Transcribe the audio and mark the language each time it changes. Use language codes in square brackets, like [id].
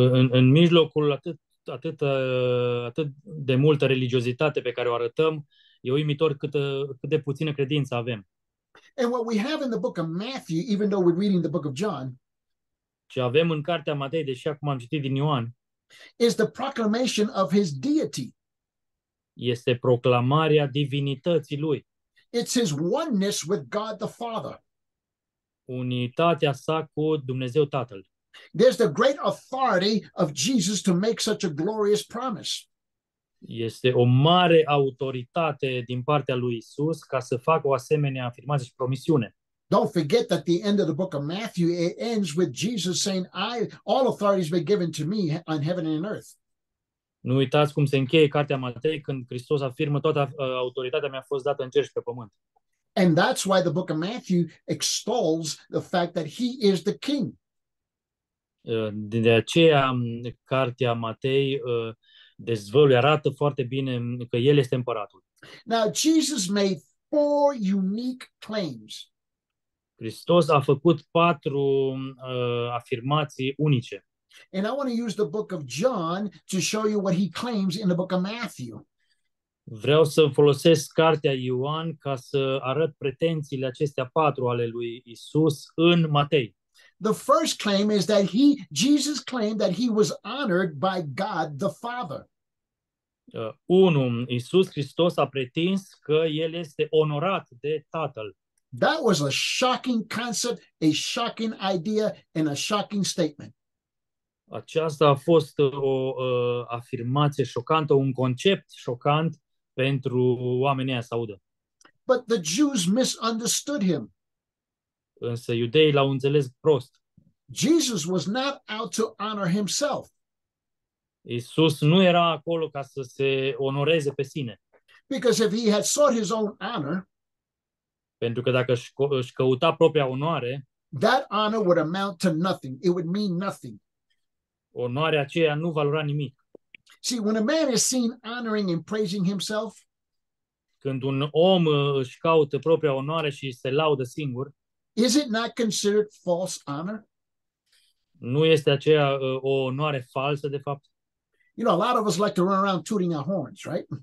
[ro] În mijlocul atât de multă religiozitate pe care o arătăm, e uimitor cât de puțină credință avem. [en] And what we have in the book of Matthew, even though we're reading the book of John, [ro] ce avem în cartea Matei, deși acum am citit din Ioan, [en] is the proclamation of his deity. [ro] Este proclamarea divinității lui. [en] It's his oneness with God the Father. [ro] Unitatea sa cu Dumnezeu Tatăl. [en] There's the great authority of Jesus to make such a glorious promise. [ro] Este o mare autoritate din partea lui Isus ca să facă o asemenea afirmație și promisiune. [en] Don't forget that the end of the book of Matthew, it ends with Jesus saying, all authority has been given to me on heaven and on earth. [ro] Nu uitați cum se încheie cartea Matei când Hristos afirmă toată autoritatea mi-a fost dată în cer și pe pământ. [en] And that's why the book of Matthew extols the fact that he is the king. [ro] De aceea cartea Matei dezvăluie, arată foarte bine că el este împăratul. [en] Now Jesus made four unique claims. [ro] Hristos a făcut patru afirmații unice. [en] And I want to use the book of John to show you what he claims in the book of Matthew. [ro] Vreau să folosesc cartea Ioan ca să arăt pretențiile acestea patru ale lui Isus în Matei. [en] The first claim is that Jesus claimed that he was honored by God the Father. [ro] Unu, Isus Hristos a pretins că el este onorat de Tatăl. [en] That was a shocking concept, a shocking idea, and a shocking statement. [ro] Aceasta a fost o afirmație șocantă, un concept șocant pentru oamenii să audă. [en] But the Jews misunderstood him. [ro] Însă iudeii l-au înțeles prost. [en] Jesus was not out to honor himself. [ro] Iisus nu era acolo ca să se onoreze pe sine. [en] Because if he had sought his own honor, [ro] pentru că dacă își căuta propria onoare, [en] that honor would amount to nothing. It would mean nothing. [ro] Onoarea aceea nu valora nimic. [en] See, when a man is seen honoring and praising himself, [ro] când un om își caută propria onoare și se laudă singur, [en] is it not considered false honor? [ro] Nu este aceea o onoare falsă, de fapt? [en] You know, a lot of us like to run around tooting our horns, right?